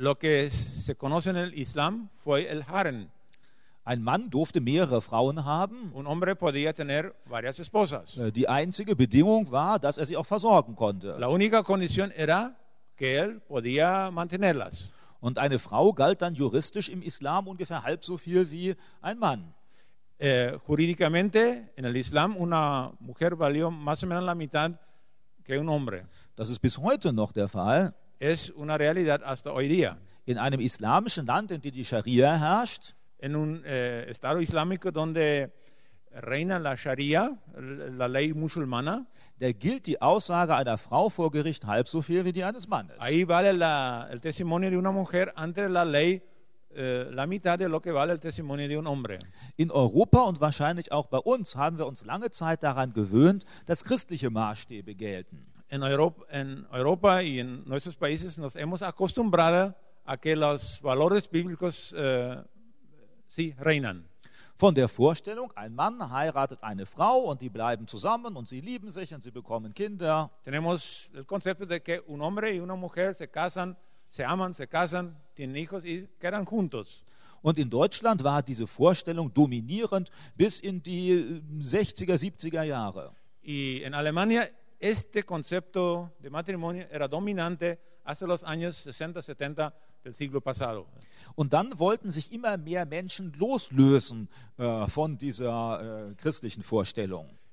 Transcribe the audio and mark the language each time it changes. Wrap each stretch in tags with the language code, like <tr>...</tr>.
<es>Lo que se conoce en el Islam fue el harem.</es> <de>Ein Mann durfte mehrere Frauen haben.</de> <es>Un hombre podía tener varias esposas.</es> <de>Die einzige Bedingung war, dass er sie auch versorgen konnte.</de> <es>La única condición era que él podía mantenerlas.</es> <de>Und eine Frau galt dann juristisch im Islam ungefähr halb so viel wie ein Mann.</de> <es>Jurídicamente en el Islam una mujer valió más o menos la mitad que un hombre.</es> <de>Das ist bis heute noch der Fall.</de> <es>Es una realidad hasta hoy día.</es> <de>In einem islamischen Land, in dem die Scharia herrscht,</de> <es>en un estado islámico donde reina la Scharia, la ley musulmana,</es> <de>da gilt die Aussage einer Frau vor Gericht halb so viel wie die eines Mannes.</de> <es>Ahí vale el testimonio de una mujer ante la ley la mitad de lo que vale el testimonio de un hombre.</es> <de>In Europa und wahrscheinlich auch bei uns haben wir uns lange Zeit daran gewöhnt, dass christliche Maßstäbe gelten.</de> <es>En Europa y en nuestros países nos hemos acostumbrado a que los valores bíblicos</es> <de>sie reinen. Von der Vorstellung, ein Mann heiratet eine Frau und die bleiben zusammen und sie lieben sich und sie bekommen Kinder.</de> <es>Tenemos el concepto de que un hombre y una mujer se casan, se aman, se casan, tienen hijos y quedan juntos.</es> <de>Und in Deutschland war diese Vorstellung dominierend bis in die 60er, 70er Jahre.</de> <es>Y en Alemania este concepto de matrimonio era dominante hasta los años 60, 70 del siglo pasado.</es> <de>Und dann wollten sich immer mehr Menschen loslösen von dieser christlichen Vorstellung.</de>